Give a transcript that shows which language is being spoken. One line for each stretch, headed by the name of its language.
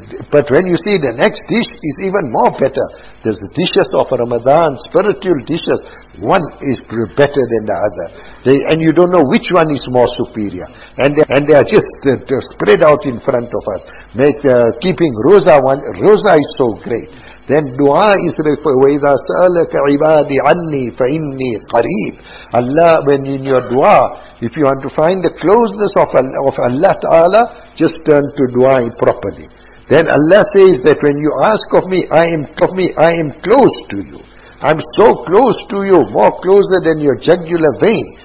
English: But when you see the next dish is even more better. There's the dishes of Ramadan, spiritual dishes. One is better than the other. And you don't know which one is more superior. And they are just spread out in front of us. Keeping Rosa one. Rosa is so great. Then dua is referred,
Arabic: وَإِذَا سَأَلَكَ عِبَادِ عَنِّي فَإِنِّي قَرِيبٌ.
English: Allah, when in your dua, if you want to find the closeness of Allah Ta'ala, just turn to dua properly. Then Allah says that when you ask of me, I am close to you. I'm so close to you, more closer than your jugular vein.